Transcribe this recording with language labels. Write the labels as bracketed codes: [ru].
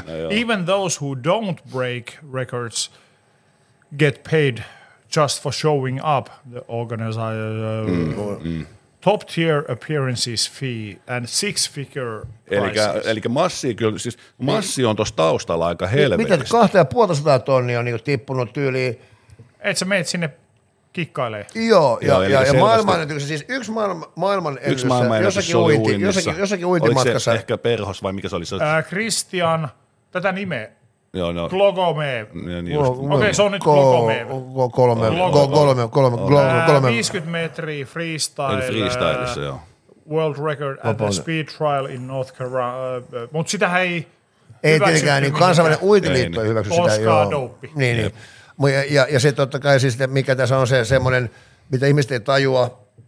[en] Even those who don't break records get paid just for showing up, the organizer. Top-tier appearances fee and six-figure price. [fi] Eli massi, kyllä, siis massi on tuossa taustalla aika helvetistä. Miten 250 000 on niin tippunut tyyliin? Et sä meet sinne kikkailee. Joo, ja maailman ennätyksessä, siis yksi maailman ennätyksessä, jossakin uintimatkassa. Oliko se ehkä Perhos vai mikä se oli? Christian, tätä nimeä. Joo, no. Glogomev. Okei, se on nyt Glogomev. 50 metriä freestyle. Eli freestyleissä, joo. [en] World record at the speed trial in North Korea. [fi] Mutta sitä ei hyväksytty. Ei tietenkään, niin kansainvälinen uintiliitto ei hyväksy sitä. Oscar dope. Niin. Ja se totta kai, siis, mikä tässä on se semmoinen, mitä ihmiset ei tajua,